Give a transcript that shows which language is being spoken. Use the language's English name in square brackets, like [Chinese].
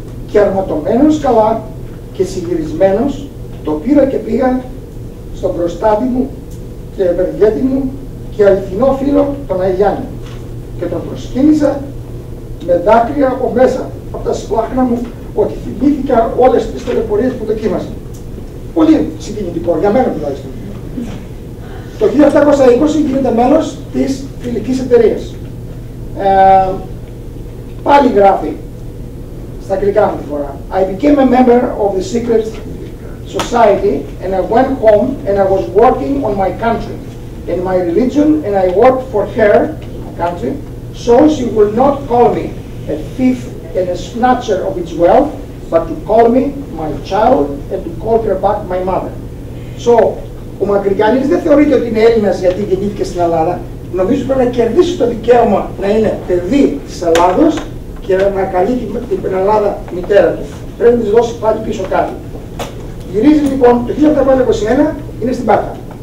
[Greek] Και αρματωμένος καλά, και συγχυρισμένος, το πήρα και πήγα στον προστάτη μου και ευεργέτη μου και αληθινό φίλο τον Αγιάννη και τον προσκύνησα με δάκρυα από μέσα από τα σπλάχνα μου ότι θυμήθηκα όλες τις τελεπορίες που δοκίμασα. Πολύ συγκινητικό, για μένα τουλάχιστον. Το 1720 γίνεται μέλος της φιλικής εταιρείας. Πάλι γράφει. Στα αγγλικά αυτή τη φορά. [English] I became a member of the secret society and I went home and I was working on my country and my religion and I worked for her country so she would not call me a thief and a snatcher of its wealth but to call me my child and to call her back my mother. So, [Greek] ο Μακρυγιάννης δεν θεωρείται ότι είναι Έλληνας γιατί γεννήθηκε στην Ελλάδα. νομίζω πρέπει να κερδίσει το δικαίωμα να είναι παιδί της Ελλάδος και να καλύπτει την Ελλάδα μητέρα του. Πρέπει να της δώσει πάλι πίσω κάτι. Γυρίζει λοιπόν το 1821, είναι στην Πάτρα.